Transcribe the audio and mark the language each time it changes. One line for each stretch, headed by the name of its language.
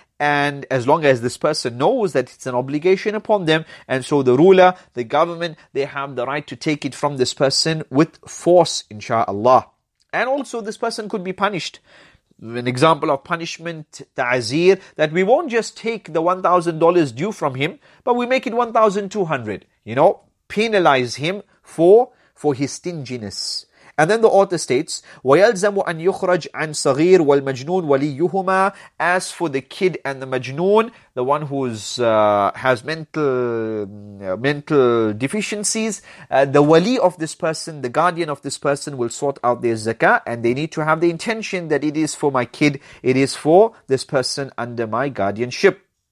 English: And as long as this person knows that it's an obligation upon them, and so the ruler, the government, they have the right to take it from this person with force, insha'Allah. And also this person could be punished. An example of punishment, ta'zir, that we won't just take the $1,000 due from him, but we make it $1,200, you know, penalize him for his stinginess. And then the author states,
Arabic: وَيَلْزَمُ أَنْ يُخْرَجْ عَنْ صَغِيرٍ وَالْمَجْنُونَ وَلِيُّهُمَا.
English: As for the kid and the majnoon, the one who has mental deficiencies, the wali of this person, the guardian of this person, will sort out their zakah, and they need to have the intention that it is for my kid, it is for this person under my guardianship.